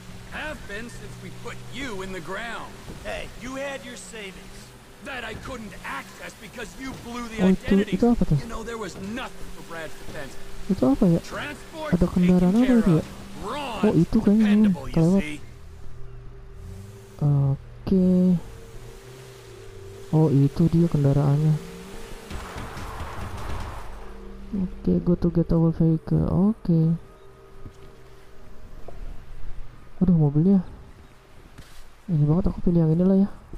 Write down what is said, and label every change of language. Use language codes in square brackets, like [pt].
[en] Have been since we put you in the ground. Hey, you had your savings that I couldn't access because you blew the identity. You know there was nothing for Brad's defense. [id] Itu apa ya? Ada kendaraan apa itu ya? Oh, itu kayaknya kelewat. Oke. Oh, itu dia kendaraannya. [en] Oke, go to get our vehicle. [id] Oke. Aduh, mobilnya ini banget, aku pilih yang inilah ya.